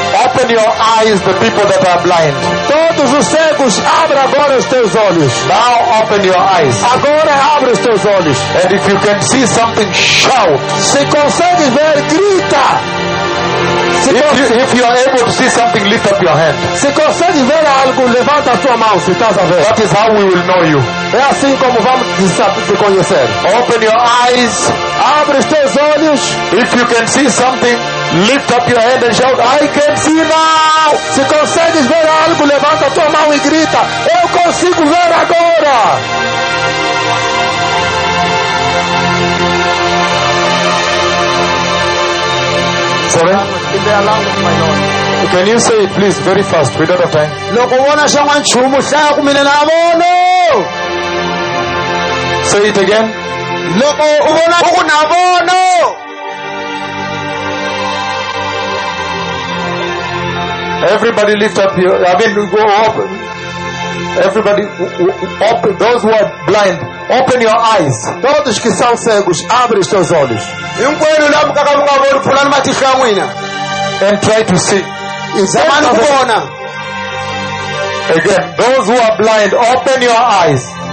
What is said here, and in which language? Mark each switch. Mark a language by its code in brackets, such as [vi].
[en] open your eyes, the people that are blind. [pt] Todos os cegos, abra agora os teus olhos. [en] Now open your eyes. [pt] Agora abre os teus olhos. [en] And if you can see something, shout. [pt] Se consegue ver, grita. [en] If you are able to see something, lift up your hand. [pt] Se consegue ver algo, levanta a tua mão, se estás a ver. [en] That is how we will know you. [pt] É assim como vamos te conhecer. [en] Open your eyes. [pt] Abre os teus olhos. [en] If you can see something, lift up your hand and shout, I can see now. [pt] Se consegues ver algo, levanta a tua mão e grita, eu consigo ver agora. [en] Sorry? Can you say it, please, very fast, we don't have time. [ts] Loko wona shangwa nchumu hlaya kumine na bono. [en] Say it again. [ts] Loko ubona ku na bono. [en] Everybody lift up your, I mean, go open. Everybody, open, those who are blind, open your eyes. [pt] Todos que são cegos, abre os teus olhos. [en] And try to see. Again, those who are blind, open your eyes.